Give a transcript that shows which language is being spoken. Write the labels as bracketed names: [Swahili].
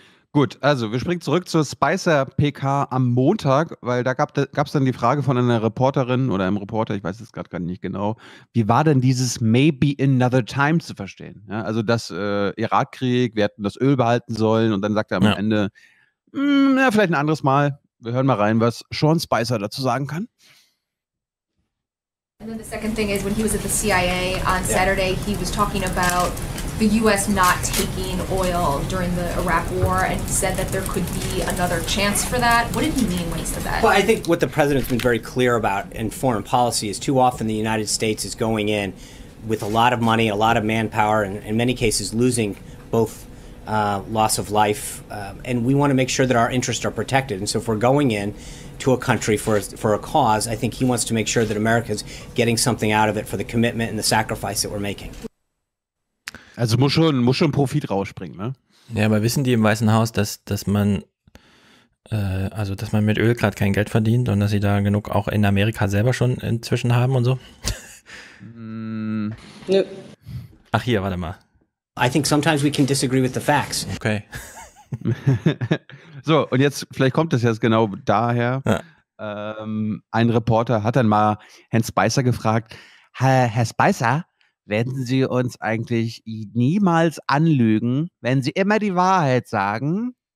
[German] Gut, also wir springen zurück zur Spicer-PK am Montag, weil da gab es dann die Frage von einer Reporterin oder einem Reporter, ich weiß es gerade gar nicht genau, wie war denn dieses [English] Maybe Another Time [German] zu verstehen? Ja, also das Irakkrieg, wir hätten das Öl behalten sollen und dann sagt er am Ende, ja, vielleicht ein anderes Mal, wir hören mal rein, was Sean Spicer dazu sagen kann. [English] And then the second thing is, when he was at the CIA on Saturday, he was talking about the U.S. not taking oil during the Iraq war, and he said that there could be another chance for that. What did he mean when he said that? Well, I think what the president's been very clear about in foreign policy is too often the United States is going in with a lot of money, a lot of manpower, and in many cases losing both loss of life, and we want to make sure that our interests are protected. And so if we're going in to a country for a cause, I think he wants to make sure that America's getting something out of it for the commitment and the sacrifice that we're making. [German] Also muss schon Profit rausspringen, ne? Ja, aber wissen die im Weißen Haus, dass man mit Öl gerade kein Geld verdient und dass sie da genug auch in Amerika selber schon inzwischen haben und so? Nö. Ach hier, warte mal. [English] I think sometimes we can disagree with the facts. Okay. [German] So, und jetzt, vielleicht kommt das jetzt genau daher. Ja. Ein Reporter hat dann mal Herrn Spicer gefragt, Herr Spicer, werden Sie uns eigentlich niemals anlügen, wenn Sie immer die Wahrheit sagen?